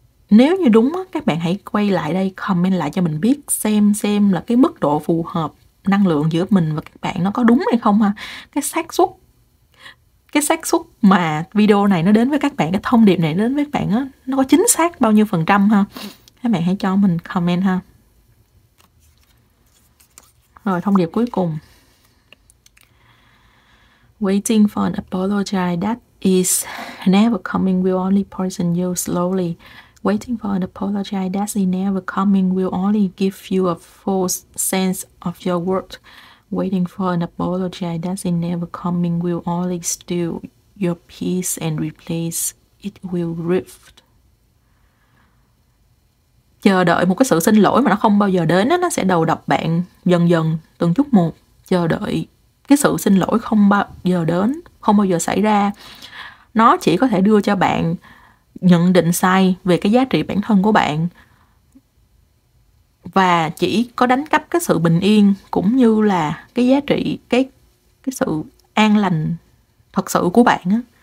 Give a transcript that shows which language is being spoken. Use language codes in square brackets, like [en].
[vi] Nếu như đúng, các bạn hãy quay lại đây comment lại cho mình biết xem là cái mức độ phù hợp năng lượng giữa mình và các bạn nó có đúng hay không ha. Cái xác suất mà video này nó đến với các bạn, cái thông điệp này đến với các bạn á, nó có chính xác bao nhiêu phần trăm ha. Các bạn hãy cho mình comment ha. Rồi, thông điệp cuối cùng. [en] Waiting for an apology that is never coming will only poison you slowly. Waiting for an apology that is never coming will only give you a false sense of your worth. Waiting for an apology that is never coming will only steal your peace and replace it will rift. [vi] Chờ đợi một cái sự xin lỗi mà nó không bao giờ đến đó, nó sẽ đầu độc bạn dần dần từng chút một. Chờ đợi cái sự xin lỗi không bao giờ đến, không bao giờ xảy ra, nó chỉ có thể đưa cho bạn nhận định sai về cái giá trị bản thân của bạn, và chỉ có đánh cắp cái sự bình yên cũng như là cái giá trị, cái sự an lành thật sự của bạn á.